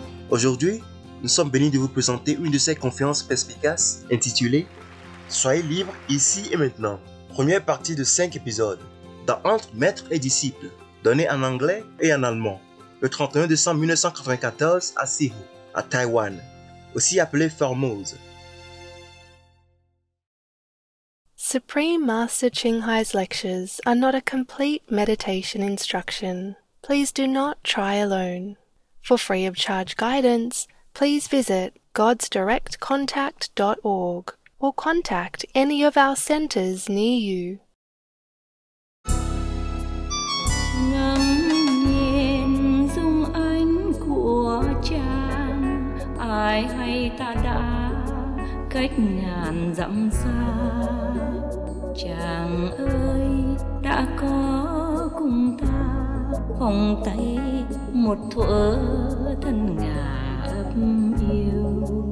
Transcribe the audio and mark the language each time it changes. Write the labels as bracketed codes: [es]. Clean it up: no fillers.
[fr] Aujourd'hui, nous sommes bénis de vous présenter une de ces conférences perspicaces intitulée « Soyez libre ici et maintenant », première partie de 5 épisodes, dans « Entre maître et disciple », donnée en anglais et en allemand, le 31 décembre 1994 à Sihu, à Taïwan, aussi appelée Formose. [en] Supreme Master Qinghai's lectures are not a complete meditation instruction. Please do not try alone. For free of charge guidance, please visit godsdirectcontact.org or contact any of our centers near you. [vi] Ngắm nhìn dung ánh của trăng, ai hay ta đã cách ngàn dặm xa. Chàng ơi đã có cùng ta vòng tay một thuở thân ngà ấp yêu.